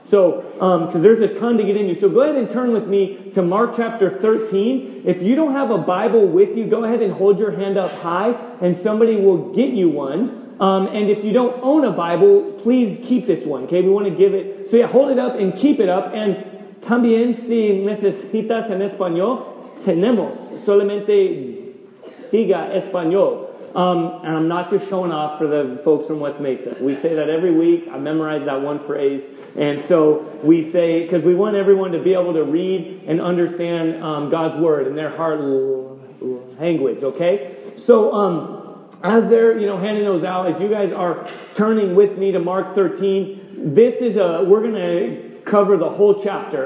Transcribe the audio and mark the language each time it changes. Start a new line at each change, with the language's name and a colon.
English: So, because there's a ton to get into. So go ahead and turn with me to Mark chapter 13. If you don't have a Bible with you, go ahead and hold your hand up high and somebody will get you one. And if you don't own a Bible, please keep this one, okay? We want to give it. So yeah, hold it up and keep it up.
Spanish: And también si necesitas en español, tenemos. Solamente diga español.
English: And I'm not just showing off for the folks from West Mesa. We say that every week. I memorize that one phrase. And so we say, because we want everyone to be able to read and understand God's word in their heart language, okay? So as they're, you know, handing those out, as you guys are turning with me to Mark 13, we're going to cover the whole chapter.